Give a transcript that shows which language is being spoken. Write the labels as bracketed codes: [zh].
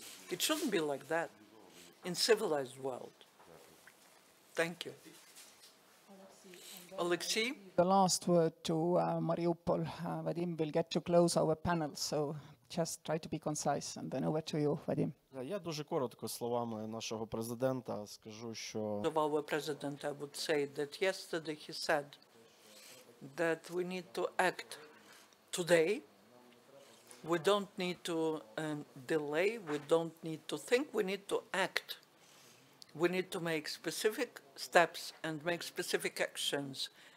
[en] It shouldn't be like that in civilized world. Thank you. Oleksiy? The last word to Mariupol. Vadym will get to close our panel, so just try to be concise, and then over to you, Vadym. [uk] Я дуже коротко словами нашого президента скажу, що... [en] Of our president, I would say that yesterday he said that we need to act today. We don't need to delay. We don't need to think. We need to act. We need to make specific steps and make specific actions.